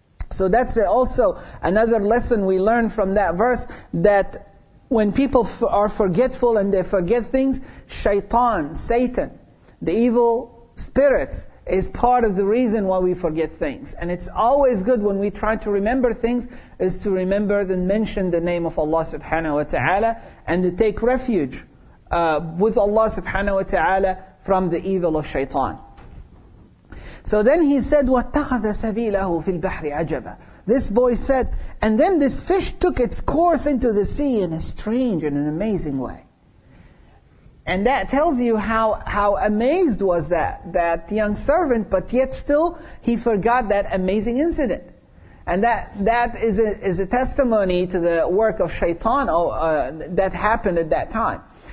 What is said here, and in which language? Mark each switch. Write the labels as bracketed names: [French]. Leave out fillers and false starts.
[English] So that's also another lesson we learn from that verse, that when people are forgetful and they forget things, Shaitan, Satan, the evil spirits, is part of the reason why we forget things. And it's always good when we try to remember things, is to remember and mention the name of Allah subhanahu wa ta'ala, and to take refuge with Allah subhanahu wa ta'ala from the evil of shaitan. So then he said, [Arabic] وَاتَّخَذَ سَبِيلَهُ فِي الْبَحْرِ عَجَبًا. [English] This boy said, and then this fish took its course into the sea in a strange and an amazing way. And that tells you how amazed was that young servant, but yet still he forgot that amazing incident. And that is a testimony to the work of shaitan that happened at that time.